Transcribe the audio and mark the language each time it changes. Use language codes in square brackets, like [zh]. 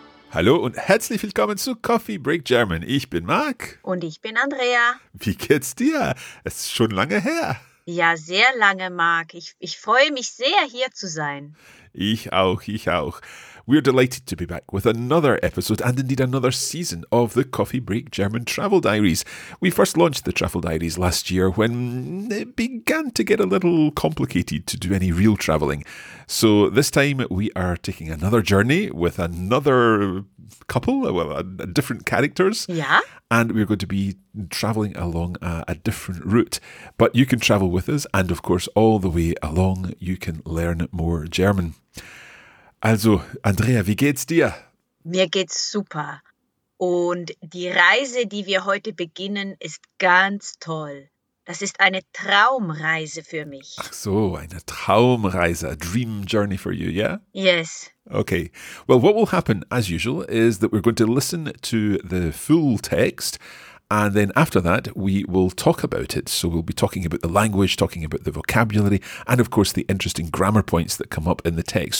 [de] Hallo und herzlich willkommen zu Coffee Break German. Ich bin Marc. Und ich bin Andrea. Wie geht's dir? Es ist schon lange her. Ja, sehr lange, Marc. Ich freue mich sehr, hier zu sein. Ich auch. [en] We are delighted to be back with another episode and indeed another season of the Coffee Break German Travel Diaries. We first launched the Travel Diaries last year when it began to get a little complicated to do any real travelling. So this time we are taking another journey with another couple, well, different characters. Yeah. And we're going to be travelling along a different route. But you can travel with us and, of course, all the way along you can learn more German. [de] Also, Andrea, wie geht's dir? Mir geht's super. Und die Reise, die wir heute beginnen, ist ganz toll. Das ist eine Traumreise für mich. Ach so, eine Traumreise, [en] a dream journey for you, yeah? Yes. Okay. Well, what will happen, as usual, is that we're going to listen to the full text. And then after that, we will talk about it. So we'll be talking about the language, talking about the vocabulary, and of course, the interesting grammar points that come up in the text.